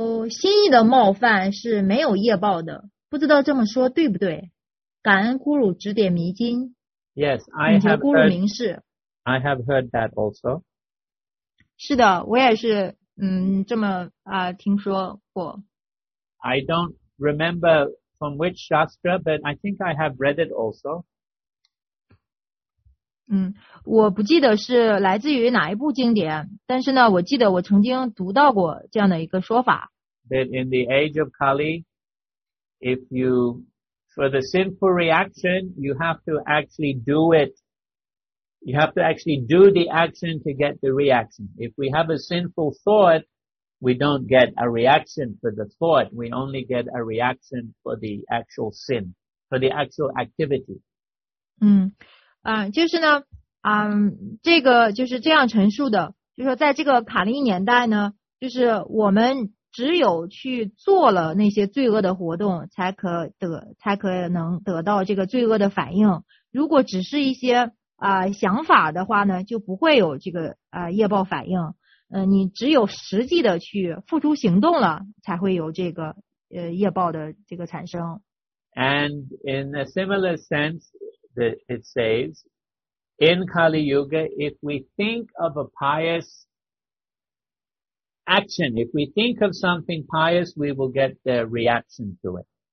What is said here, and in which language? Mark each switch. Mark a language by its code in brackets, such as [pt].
[zh] 心意的冒犯是没有业报的，不知道这么说对不对？感恩咕噜指点迷津。 [en] Yes, I have heard. [zh] 咕噜明示。 [en] I have heard that also. [zh] 是的，我也是，这么听说过。 [en] I don't remember from which shastra, but I think I have read it also. 我不记得是来自于哪一部经典，但是呢，我记得我曾经读到过这样的一个说法。 That in the age of Kali, if you, for the sinful reaction, you have to actually do it. You have to actually do the action to get the reaction. If we have a sinful thought, we don't get a reaction for the thought. We only get a reaction for the actual sin, for the actual activity. [zh] 就是呢，这个就是这样陈述的，就是说在这个卡利年代呢，就是我们只有去做了那些罪恶的活动才可能得到这个罪恶的反应。如果只是一些想法的话呢，就不会有这个业报反应。你只有实际的去付出行动了，才会有这个业报的这个产生。 [en] And in a similar sense, it says, in Kali Yuga, if we think of a pious action, if we think of something pious, we will get the reaction to it.